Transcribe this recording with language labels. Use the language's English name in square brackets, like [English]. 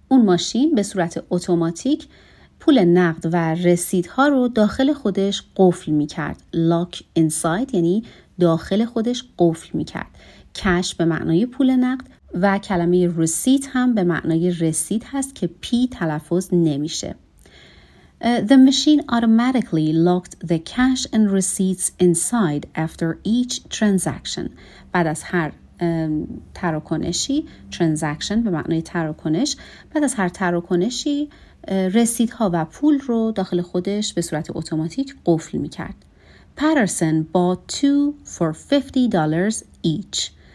[Persian] اون ماشین به صورت اتوماتیک پول نقد و رسیدها رو داخل خودش قفل میکرد. Lock inside یعنی داخل خودش قفل میکرد. کش به معنای پول نقد و کلمه رسید هم به معنای رسید هست که پی تلفظ نمیشه. [English] The machine automatically locked the cash and receipts inside after each transaction. [Persian] بعد از هر تراکنشی، transaction به معنای تراکنش، بعد از هر تراکنشی رسیدها و پول رو داخل خودش به صورت اتوماتیک قفل میکرد. [English] Patterson bought two for $50 each.